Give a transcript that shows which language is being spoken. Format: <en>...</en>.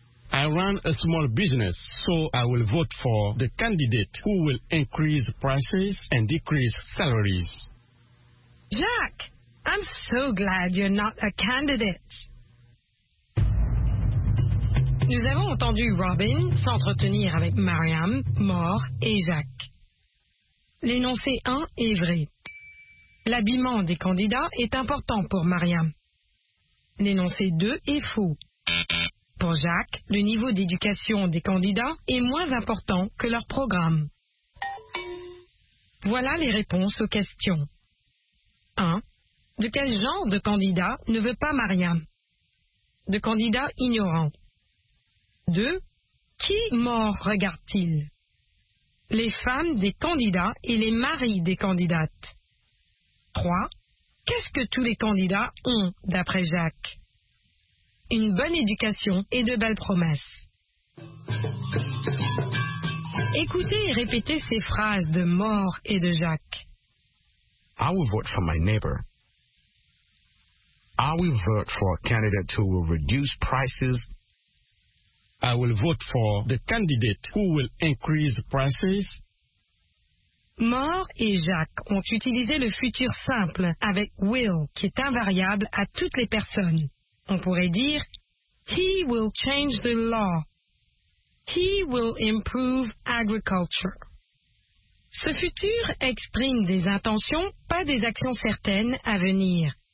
<en>I run a small business, so I will vote for the candidate who will increase prices and decrease salaries. Jacques, I'm so glad you're not a candidate.</en> <fr>Nous avons entendu Robin s'entretenir avec Mariam, Maure et Jacques. L'énoncé 1 est vrai. L'habillement des candidats est important pour Mariam. L'énoncé 2 est faux. Pour Jacques, le niveau d'éducation des candidats est moins important que leur programme. Voilà les réponses aux questions. 1. De quel genre de candidat ne veut pas Mariam? De candidat ignorant. 2. Qui mort regarde-t-il? Les femmes des candidats et les maris des candidates. 3. Qu'est-ce que tous les candidats ont, d'après Jacques? Une bonne éducation et de belles promesses. Écoutez et répétez ces phrases de Maure et de Jacques.</fr> <en>I will vote for my neighbor. I will vote for a candidate who will reduce prices. I will vote for the candidate who will increase prices.</en> <fr>Mort et Jacques ont utilisé le futur simple avec will, qui est invariable à toutes les personnes. On pourrait dire,</fr> <en>he will change the law. He will improve agriculture.</en> <fr>Ce futur exprime des intentions, pas des actions certaines à venir.</fr>